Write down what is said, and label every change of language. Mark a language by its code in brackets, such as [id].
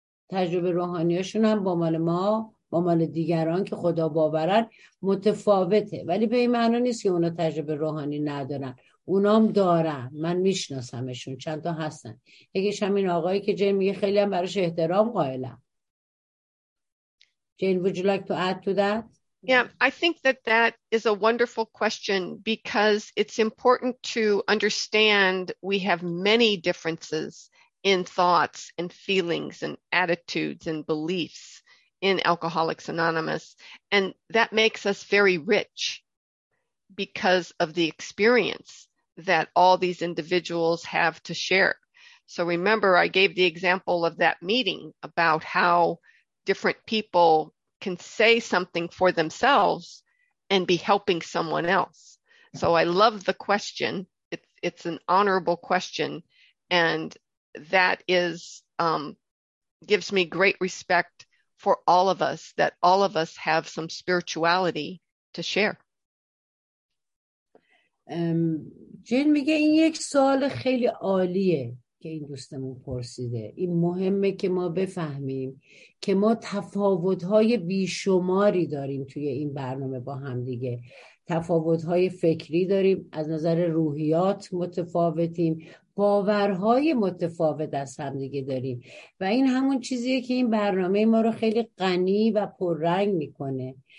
[fa] تجربه روحانیاشون هم با مال ما، با مال دیگران که خدا باورن متفاوته، ولی به این معنا نیست که اونا تجربه روحانی ندارن. اونا هم دارن، من میشناسمشون، چند تا هستن. یکیش همین آقایی که جین میگه خیلی هم براش احترام قائلم. [en] Jane, would you like to add to that? Yeah, I think that that is a wonderful question because it's important to understand we have many differences in thoughts and feelings and attitudes and beliefs in Alcoholics Anonymous. And that makes us very rich because of the experience that all these individuals have to share. So remember, I gave the example of that meeting about how different people can say something for themselves and be helping someone else. So I love the question. It's an honorable question. And that is gives me great respect for all of us, that all of us have some spirituality to share. [fa] Jane میگه این یک سوال خیلی عالیه که که این دوستمون پرسیده. این مهمه که ما بفهمیم که ما تفاوت‌های بیشماری داریم توی این برنامه با هم دیگه. تفاوت‌های فکری داریم، از نظر روحیات متفاوتیم، باورهای متفاوت از هم دیگه داریم و این همون چیزیه که این برنامه ما رو خیلی غنی و پررنگ می‌کنه.